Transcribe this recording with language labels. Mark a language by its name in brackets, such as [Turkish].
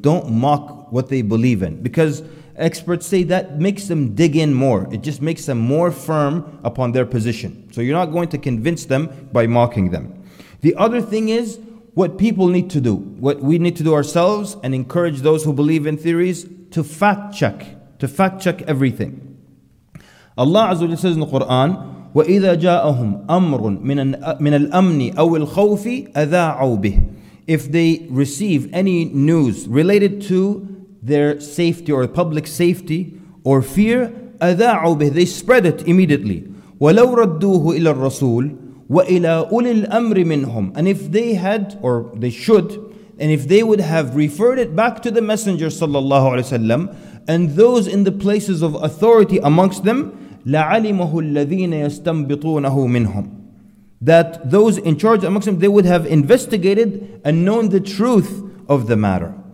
[English] Don't mock what they believe in. Because experts say that makes them dig in more. It just makes them more firm upon their position. So you're not going to convince them by mocking them. The other thing is what people need to do, what we need to do ourselves, and encourage those who believe in theories to fact check everything. Allah Azza wa Jalla says in the Quran, [Arabic] وَإِذَا جَاءَهُمْ أَمْرٌ مِنَ الْأَمْنِ أَوِ الْخَوْفِ أَذَاعُوا بِهِ. [English] If they receive any news related to their safety or public safety or fear, [Arabic] أَذَاعُوا بِهِ, [English] they spread it immediately. [Arabic] وَلَوْ رَدُّوهُ إِلَى الرَّسُولِ وَإِلَىٰ أُولِي الْأَمْرِ مِنْهُمْ. [English] And if they had, or they should, and if they would have referred it back to the Messenger sallallahu alayhi wa sallam, and those in the places of authority amongst them, [Arabic] لَعَلِمَهُ الَّذِينَ يَسْتَنْبِطُونَهُ مِنْهُمْ, [English] that those in charge amongst them, they would have investigated and known the truth of the matter.